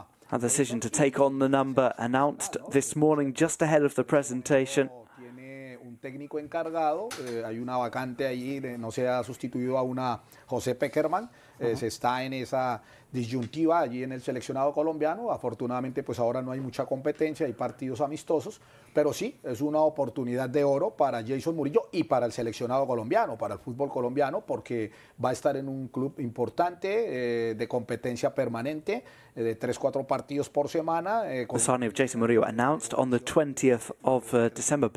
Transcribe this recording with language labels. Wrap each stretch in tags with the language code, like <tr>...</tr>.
<en>A decision to take on the number announced this morning just ahead of the presentation.</en> <es>Tiene un técnico encargado, hay una vacante allí, no se ha sustituido a una José Pekerman, se está en esa disyuntiva allí en el seleccionado colombiano, afortunadamente pues ahora no hay mucha competencia, hay partidos amistosos, pero sí, es una oportunidad de oro para Jason Murillo y para el seleccionado colombiano, para el fútbol colombiano, porque va a estar en un club importante de competencia permanente, de 3-4 partidos por semana.</es> <en>The signing of Jason Murillo announced on the 20th of December.</en>